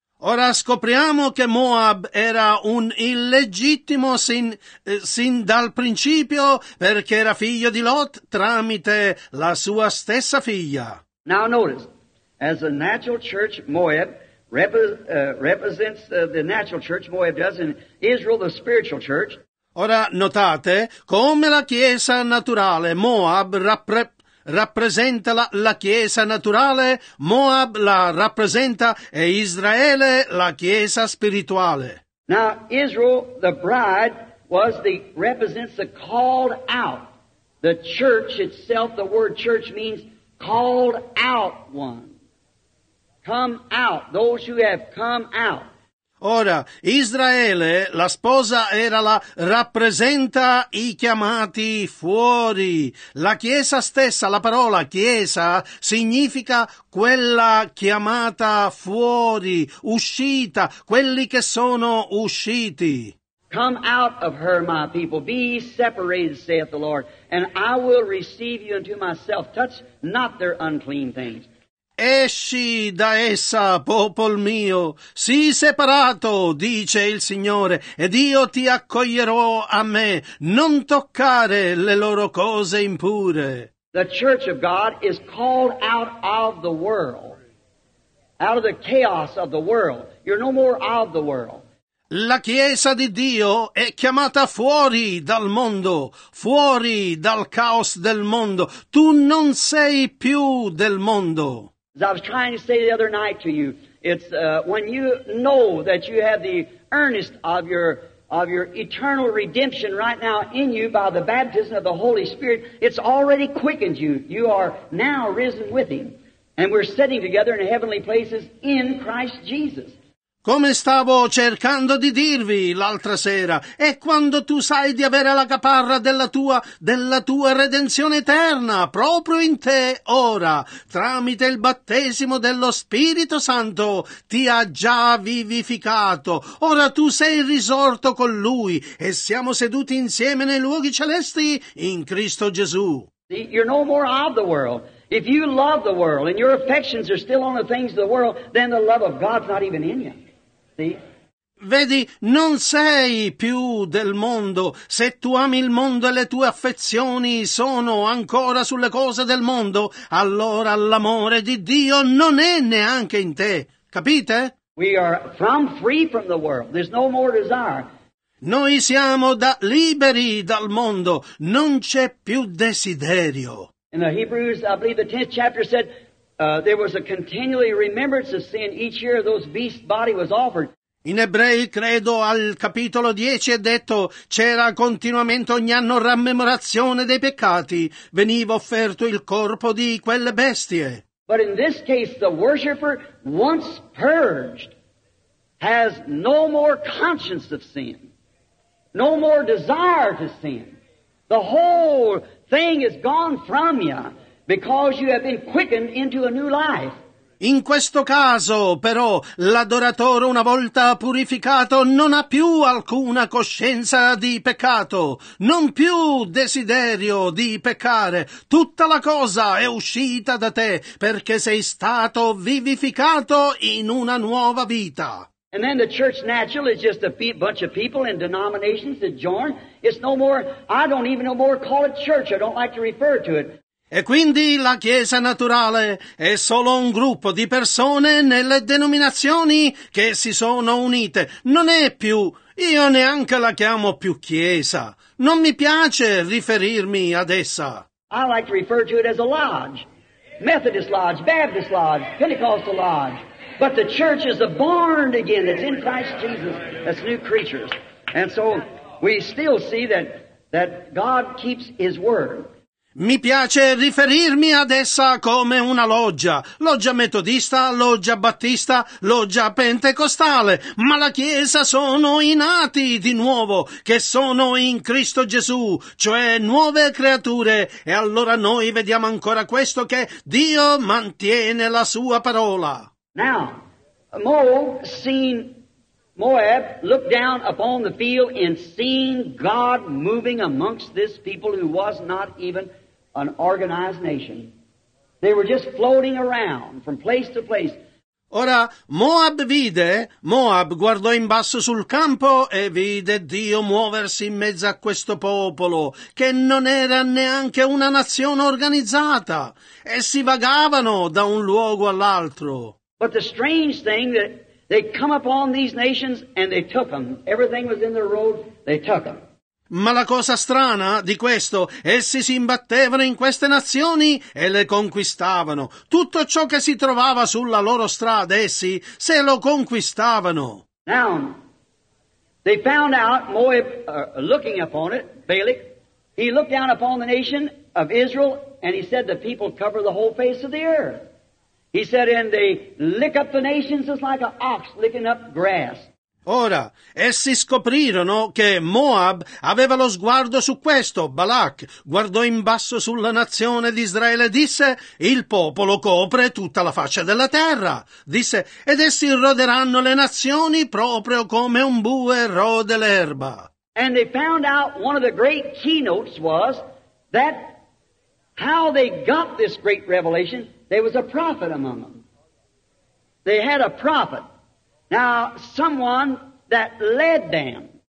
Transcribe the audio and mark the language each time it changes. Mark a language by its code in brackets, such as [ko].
[it] Ora scopriamo che Moab era un illegittimo sin dal principio perché era figlio di Lot tramite la sua stessa figlia. [en] Now notice, as a natural church, Moab represents the natural church. Moab does in Israel the spiritual church. [it] Ora notate come la chiesa naturale Moab rappresenta la chiesa naturale, Moab la rappresenta e Israele la chiesa spirituale. [en] Now Israel, the bride, represents the called out. The church itself, the word church means called out one. Come out, those who have come out. [it] Ora, Israele, la sposa era la rappresenta i chiamati fuori. La chiesa stessa, la parola chiesa, significa quella chiamata fuori, uscita, quelli che sono usciti. [en] Come out of her, my people, be ye separated, saith the Lord, and I will receive you unto myself. Touch not their unclean things. [it] Esci da essa, popol mio, sii separato, dice il Signore, ed io ti accoglierò a me, non toccare le loro cose impure. [en] The church of God is called out of the world, out of the chaos of the world. You're no more of the world. [it] La Chiesa di Dio è chiamata fuori dal mondo, fuori dal caos del mondo. Tu non sei più del mondo. [en] As I was trying to say the other night to you, it's when you know that you have the earnest of your eternal redemption right now in you by the baptism of the Holy Spirit, it's already quickened you. You are now risen with Him, and we're sitting together in heavenly places in Christ Jesus. [it] Come stavo cercando di dirvi l'altra sera, è quando tu sai di avere la caparra della tua redenzione eterna, proprio in te ora, tramite il battesimo dello Spirito Santo, ti ha già vivificato. Ora tu sei risorto con Lui e siamo seduti insieme nei luoghi celesti in Cristo Gesù. [en] You're no more of the world. If you love the world and your affections are still on the things of the world, then the love of God's not even in you. [it] Vedi, non sei più del mondo. Se tu ami il mondo e le tue affezioni sono ancora sulle cose del mondo, allora l'amore di Dio non è neanche in te. Capite? [en] We are free from the world. There's no more desire. [it] Noi siamo liberi dal mondo. Non c'è più desiderio. [en] In the Hebrews, I believe the 10th chapter said, there was a continually remembrance of sin each year those beast body was offered. [it] In Ebrei, credo, al capitolo 10 è detto, c'era continuamente ogni anno rammemorazione dei peccati, veniva offerto il corpo di quelle bestie. [en] But in this case, the worshiper, once purged, has no more conscience of sin, no more desire to sin. The whole thing is gone from you because you have been quickened into a new life. [it] In questo caso, però, l'adoratore, una volta purificato, non ha più alcuna coscienza di peccato, non più desiderio di peccare. Tutta la cosa è uscita da te, perché sei stato vivificato in una nuova vita. [en] And then the church naturally is just a bunch of people in denominations that join. It's no more, I don't even no more call it church, I don't like to refer to it. [it] E quindi la Chiesa naturale è solo un gruppo di persone nelle denominazioni che si sono unite. Non è più, io neanche la chiamo più Chiesa. Non mi piace riferirmi ad essa. [en] I like to refer to it as a lodge. Methodist lodge, Baptist lodge, Pentecostal lodge. But the church is a born again that's in Christ Jesus, that's new creatures. And so we still see that God keeps His word. [it] Mi piace riferirmi ad essa come una loggia, loggia metodista, loggia battista, loggia pentecostale, ma la Chiesa sono i nati di nuovo, che sono in Cristo Gesù, cioè nuove creature, e allora noi vediamo ancora questo che Dio mantiene la sua parola. [en] Now, Moab seen Moab look down upon the field and seen God moving amongst this people who was not even an organized nation. They were just floating around from place to place. [it] Ora Moab guardò in basso sul campo e vide Dio muoversi in mezzo a questo popolo che non era neanche una nazione organizzata, e si vagavano da un luogo all'altro. [en] But the strange thing that they come upon these nations and they took them. Everything was in their road, they took them. [it] Ma la cosa strana di questo, essi si imbattevano in queste nazioni e le conquistavano. Tutto ciò che si trovava sulla loro strada, essi se lo conquistavano. [en] Now, they found out, Moab, looking upon it, Balak, he looked down upon the nation of Israel and he said the people cover the whole face of the earth. He said, and they lick up the nations just like an ox licking up grass. [it] Ora, essi scoprirono che Moab aveva lo sguardo su questo. Balak guardò in basso sulla nazione di Israele e disse, il popolo copre tutta la faccia della terra. Disse, ed essi roderanno le nazioni proprio come un bue rode l'erba. [en] And they found out one of the great keynotes was that how they got this great revelation, there was a prophet among them. They had a prophet. Now, someone that led them.